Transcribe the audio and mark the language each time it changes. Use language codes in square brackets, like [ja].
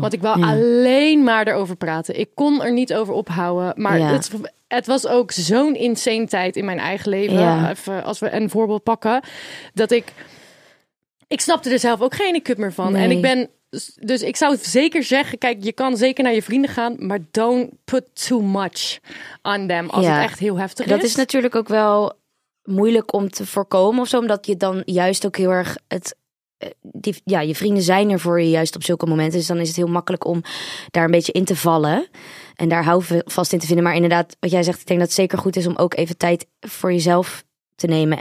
[nl] want ik wou alleen maar erover praten. Ik kon er niet over ophouden, maar het was ook zo'n insane tijd in mijn eigen leven. Ja. Even als we een voorbeeld pakken. Dat ik snapte er zelf ook geen kut meer van. Nee. En ik ben... Dus ik zou zeker zeggen... Kijk, je kan zeker naar je vrienden gaan. Maar [en] don't put too much on them. [nl] Als het echt heel heftig dat is. Dat is natuurlijk ook wel moeilijk om te voorkomen. Of zo, omdat je dan juist ook heel erg... je vrienden zijn er voor je juist op zulke momenten. Dus dan is het heel makkelijk om daar een beetje in te vallen. En daar houvast in te vinden. Maar inderdaad, wat jij zegt, ik denk dat het zeker goed is om ook even tijd voor jezelf te nemen.